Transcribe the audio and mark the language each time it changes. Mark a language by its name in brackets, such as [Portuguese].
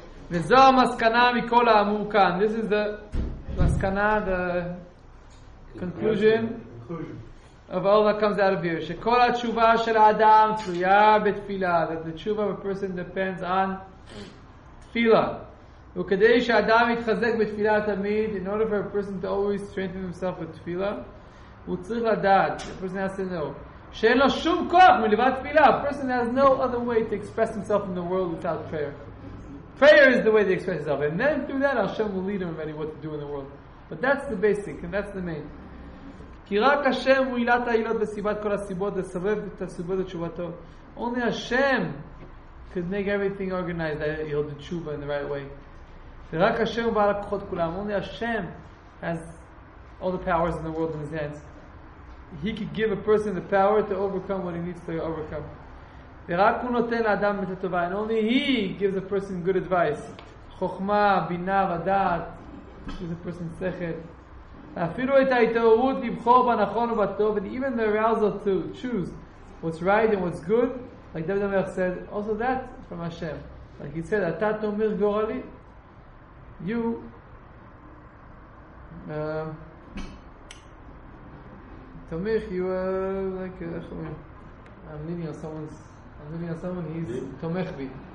[Hebrew] וזו המסקנה מכל האמור כאן. [English] This is the מסקנה, the conclusion of all that comes out of here. [Hebrew] שכל התשובה של האדם תלויה בתפילה. [English] That the tshuva of a person depends on תפילה. [Hebrew] וכדי שאדם יתחזק בתפילה תמיד, [English] in order for a person to always strengthen himself with תפילה, [Hebrew] הוא צריך לדעת, [English] a person has to know, [Hebrew] שאין לו שום כוח מלבד תפילה. [English] A person has no other way to express himself in the world without prayer. Prayer is the way they express himself. And then through that, Hashem will lead him already what to do in the world. But that's the basic, and that's the main. [Hebrew] כי רק השם הוא עילת העילות וסיבת כל הסיבות, לסובב את הסיבות לתשובתו. [English] Only Hashem could make everything organized that he'll do tshuva in the right way. [Hebrew] ורק השם הוא בעל הכוחות כולם. [English] Only Hashem has all the powers in the world in his hands. He could give a person the power to overcome what he needs to overcome. [Hebrew] ורק הוא נותן לאדם את הטובה. [English] And only he gives a person good advice. [Hebrew] חוכמה, בינה, ודעת. [English] Gives a person שכל. [Hebrew] אפילו את ההתעוררות לבחור בנכון ובטוב. [English] And even the arousal to choose what's right and what's good. Like David Amir said, also that from Hashem. Like he said, [Hebrew] אתה תומר גורלי. [English] You Tomich, you like I'm leaning on someone, he's Tomechbi.